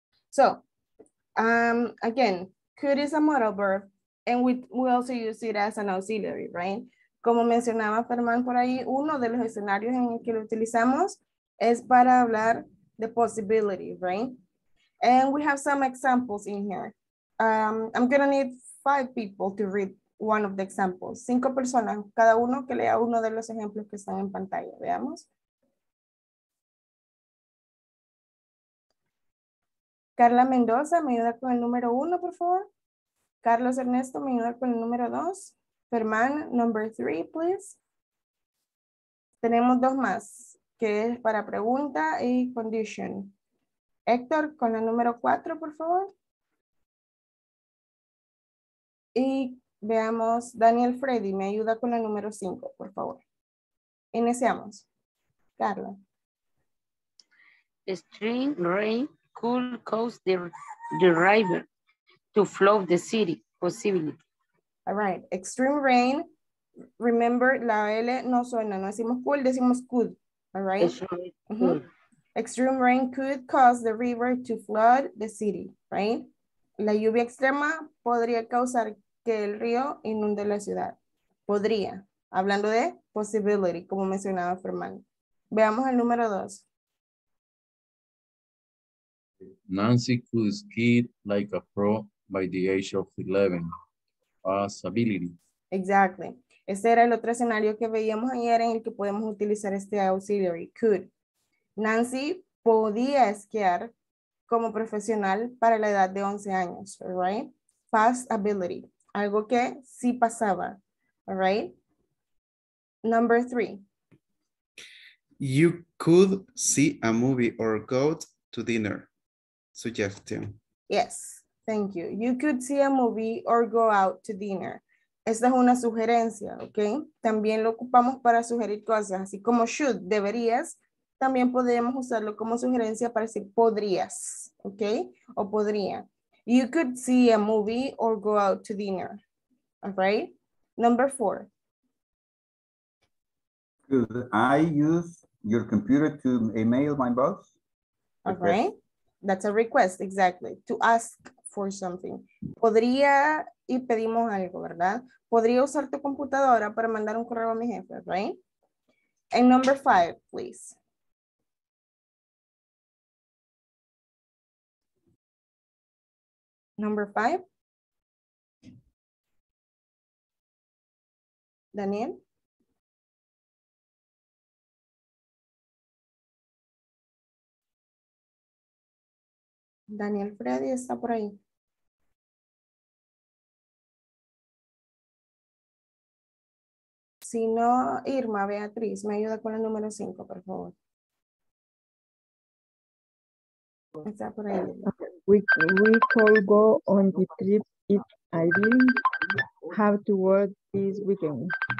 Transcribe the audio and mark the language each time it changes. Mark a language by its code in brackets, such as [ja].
[en] So, again, could is a modal verb, and we also use it as an auxiliary, right? [es] Como mencionaba Fermán por ahí, uno de los escenarios en el que lo utilizamos es para hablar de possibility, right? [en] And we have some examples in here. I'm gonna need 5 people to read one of the examples. [es] 5 personas, cada uno que lea uno de los ejemplos que están en pantalla, veamos. Carla Mendoza, ¿me ayuda con el número 1, por favor? Carlos Ernesto, ¿me ayuda con el número 2? [en] Fermán, number 3, please. [es] Tenemos 2 más, que es para pregunta y condition. Héctor, con el número 4, por favor. Y veamos, Daniel Freddy, ¿me ayuda con el número 5, por favor? Iniciamos. Carla. [en] String, rain. Could cause the river to flood the city, possibility. All right, extreme rain. Remember, [es] la L no suena, no decimos [en] cool, [es] decimos [en] could. All right? Extreme rain could cause the river to flood the city, right? [es] La lluvia extrema podría causar que el río inunde la ciudad. Podría, hablando de possibility, como mencionaba Fermán. Veamos el número 2. [en] Nancy could ski like a pro by the age of 11. Possibility. [es] Exactly. Este era el otro escenario que veíamos ayer en el que podemos utilizar este auxiliary, could. Nancy podía esquiar como profesional para la edad de 11 años, right? [en] Past ability, [es] algo que sí pasaba, [en] right? Number three. You could see a movie or go to dinner. Suggestion. Yes, thank you. You could see a movie or go out to dinner. [es] Esta es una sugerencia, ¿ok? También lo ocupamos para sugerir cosas, así como should, deberías. También podemos usarlo como sugerencia para decir podrías, ¿ok? O podría. [en] You could see a movie or go out to dinner. All right? Number four. Could I use your computer to email my boss? All right. That's a request, exactly. To ask for something. [es] Podría y pedimos algo, ¿verdad? Podría usar tu computadora para mandar un correo a mi jefe, right? [en] And number five, please. Number five. Daniel. [es] Daniel Freddy está por ahí. Si no, Irma Beatriz, me ayuda con el número 5, por favor. Está por ahí. [en] We could go on the trip if I didn't have to work this weekend.